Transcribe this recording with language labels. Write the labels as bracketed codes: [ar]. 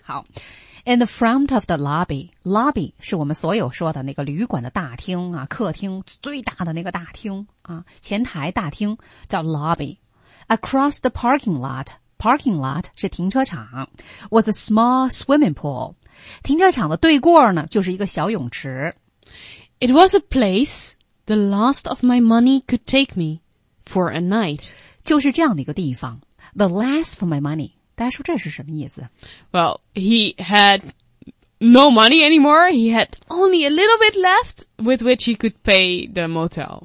[zh] 好。 [en] In the front of the lobby, [zh] lobby 是我们所有说的那个旅馆的大厅啊，客厅最大的那个大厅啊，前台大厅叫 lobby. [en] Across the parking lot [zh] 是停车场 [en] was a small swimming pool. [zh] 停车场的对过呢就是一个小泳池。 [en] It was a place,The last of my money could take me for a night. [zh] 就是这样的一个地方。 [en] The last of my money. [zh] 大家说这是什么意思？ [en] Well, he had no money anymore. He had only a little bit left with which he could pay the motel.